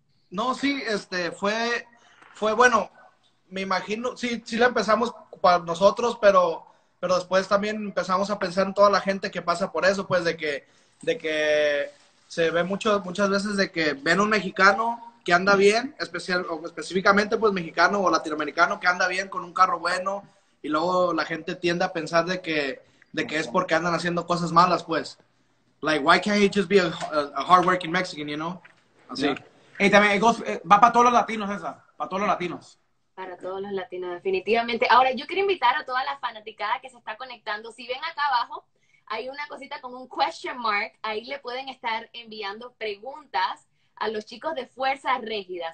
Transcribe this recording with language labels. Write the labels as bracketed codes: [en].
[es] No, sí, fue bueno, me imagino, sí, sí la empezamos para nosotros, pero después también empezamos a pensar en toda la gente que pasa por eso, pues de que se ve muchas veces de que ven un mexicano que anda bien, específicamente pues mexicano o latinoamericano que anda bien con un carro bueno. Y luego la gente tiende a pensar de que es porque andan haciendo cosas malas, pues. [en] Like, why can't he just be a hardworking Mexican, you know? [es] Así. Y también va para todos los latinos esa, para todos los latinos. Para todos los latinos, definitivamente. Ahora, yo quiero invitar a toda la fanaticada que se está conectando. Si ven acá abajo, hay una cosita con un [en] question mark. [es] Ahí le pueden estar enviando preguntas a los chicos de Fuerza Régida.